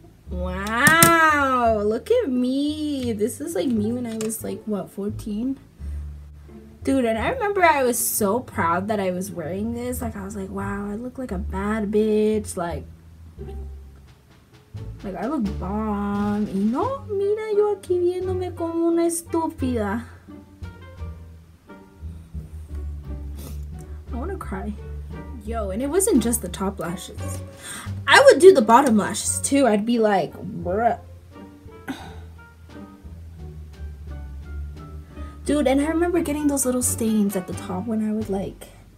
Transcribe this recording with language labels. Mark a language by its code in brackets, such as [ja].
[en] Wow, look at me. This is like me when I was like, what, 14? Dude, and I remember I was so proud that I was wearing this. Like, I was like, wow, I look like a bad bitch. Like I look bomb. [es] Y no, mira yo aquí viéndome como una estúpida. [en] I wanna cry. Yo, and it wasn't just the top lashes. I would do the bottom lashes too. I'd be like, bruh. Dude, and I remember getting those little stains at the top when I would like.